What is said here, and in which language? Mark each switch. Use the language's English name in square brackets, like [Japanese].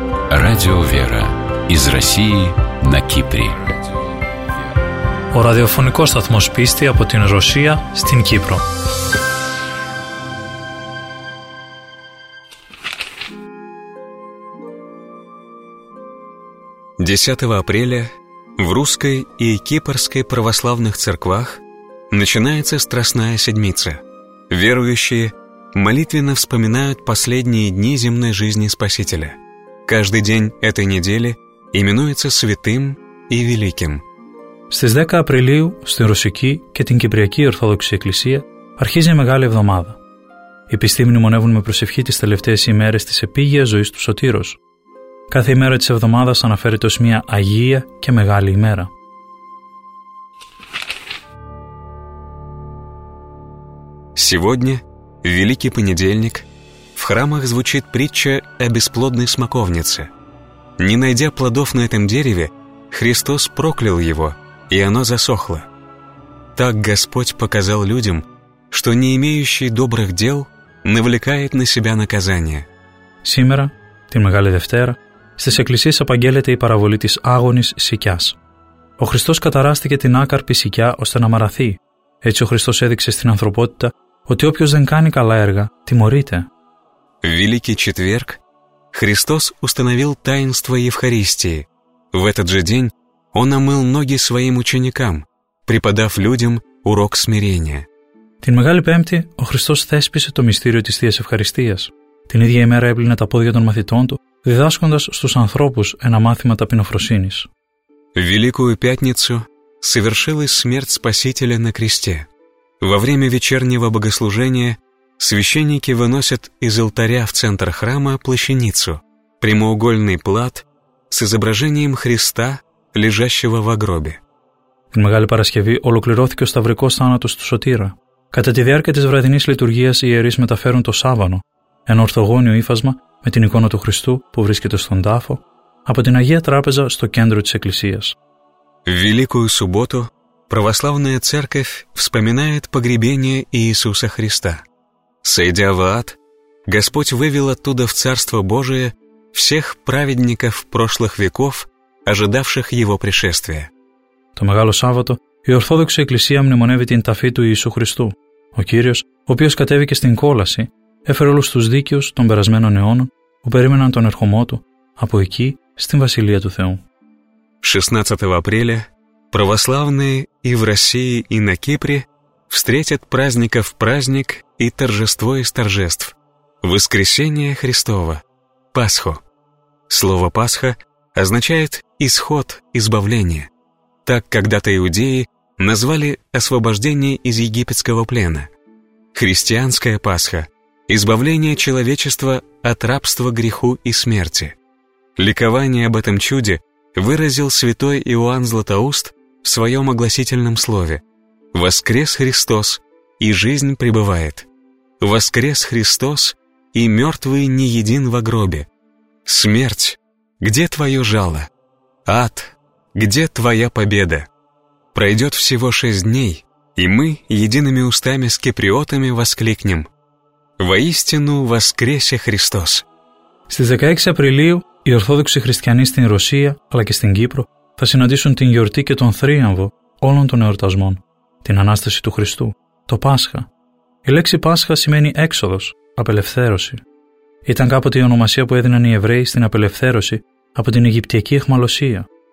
[Russian] Радио «Вера» из России на Кипре. [Greek] Ο ραδιοφωνικός σταθμός πίστη από την Ρωσία στην Κύπρο. [Russian] Десятого апреля в русской и кипрской православных церквах начинается Страстная Седмица. Верующие молитвенно вспоминают последние дни земной жизни Спасителя. Каждый день этой недели именуется святым и великим. [Greek] Στις 10 Απριλίου στην Ρωσική και την Κυπριακή Ορθόδοξη Εκκλησία αρχίζει η Μεγάλη Εβδομάδα. Οι πιστοί μνημονεύουν με προσευχή τις τελευταίες ημέρες της επίγειας ζωής του Σωτήρος. Κάθε ημέρα της εβδομάδας αναφέρεται ως μια Αγία και Μεγάλη ημέρα. [Russian] Сегодня, Великий Понедельник, в храмах звучит притча о бесплодной смоковнице. Не найдя плодов на этом дереве, Христос проклял его, и оно засохло. Так Господь показал людям, что не имеющий добрых дел навлекает на себя наказание. Сегодня, в Великую Девтеру, [Greek] στις εκκλησίες απαγγέλλεται η παραβολή της άγονης σικιάς. Ο Χριστός καταράστηκε την άκαρπη σικιά ώστε να μαραθεί. Έτσι ο Χριστός έδειξε στην ανθρωπότητα ότι όποιος δεν κάνει καλά έργα, τιμωρείται. [Russian] Великий четверг Христос установил таинство Евхаристии. В этот же день Он омыл ноги Своим ученикам, преподав людям урок смирения. [Greek] Την Μεγάλη Πέμπτη ο Χριστός θέσπισε το μυστήριο της Θείας Ευχαριστίας. Την ίδια ημέρα έπλυνε τα πόδια των μαθητών Του, διδάσκοντας στους ανθρώπους ένα μάθημα ταπεινοφροσύνης. [Russian] Великую Пятницу совершилась смерть Спасителя на кресте. Во время вечернего богослужения священники выносят из алтаря в центр храма плащаницу, прямоугольный плат с изображением Христа, лежащего во гробе. [Greek] Την Μεγάλη Παρασκευή ολοκληρώθηκε ο σταυρικός θάνατος του Σωτήρα. Κατά τη διάρκεια της βραδινής λειτουργίας οι ιερείς μεταφέρουν το σάβανο, ένα ορθογώνιο ύφασμα με την εικόνα του Χριστού που βρίσκεται στον τάφο, από την Αγία Τράπεζα στο κέντρο της Εκκλησίας. [Russian] Великую субботу православная церковь вспоминает погребение Иисуса Христа. Сойдя в ад, Господь вывел оттуда в Царство Божие всех праведников прошлых веков, ожидавших Его пришествия. [Greek] Το Μεγάλο Σάββατο η Ορθόδοξη Εκκλησία μνημονεύει την ταφή του Ιησού Χριστού. Ο Κύριος, ο οποίος κατέβηκε στην κόλαση, έφερε όλους τους δίκαιους των περασμένων αιώνων που περίμεναν τον ερχομό Του από εκεί στην Βασιλεία του Θεού. [Russian] 16 Απρίλια православные и в России, и на Кипре встретят праздников праздник и торжество из торжеств – Воскресение Христово, Пасху. Слово «Пасха» означает «исход, избавление». Так когда-то иудеи назвали освобождение из египетского плена. Христианская Пасха – избавление человечества от рабства греху и смерти. Ликование об этом чуде выразил святой Иоанн Златоуст в своем огласительном слове: «Воскрес Христос, и жизнь пребывает! Воскрес Христос, и мертвый не един во гробе! Смерть, где твое жало? Ад, где твоя победа? Пройдет всего 6 дней, и мы едиными устами с киприотами воскликнем: «Воистину воскресе Христос!» [Greek] Στις 16 Απριλίου οι Ορθόδοξοι Χριστιανοί στην Ρωσία αλλά και στην Κύπρο θα συναντήσουν την γιορτή και τον θρίαμβο όλων των εορτασμών, την Ανάσταση του Χριστού, το Πάσχα. Η λέξη Πάσχα σημαίνει έξοδος, απελευθέρωση. Ήταν κάποτε η ονομασία που έδιναν οι Εβραίοι στην απελευθέρωση από την Αιγυπτιακή αιχμαλωσία.